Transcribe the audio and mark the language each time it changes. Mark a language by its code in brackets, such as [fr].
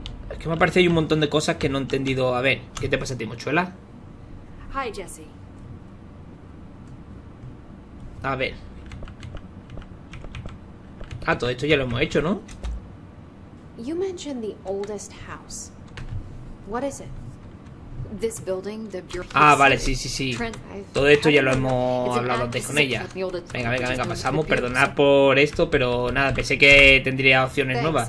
[es] Es que me parece hay un montón de cosas que no he entendido. A ver, ¿qué te pasa a ti, mochuela? [en] Hi, Jesse. [es] A ver. Ah, todo esto ya lo hemos hecho, ¿no? [en] You mentioned the oldest house. What is it? This building, the [es] Ah, vale, sí, sí, sí. Todo esto ya lo hemos hablado antes con ella. Venga, venga, venga, pasamos. Perdonad por esto, pero nada, pensé que tendría opciones nuevas.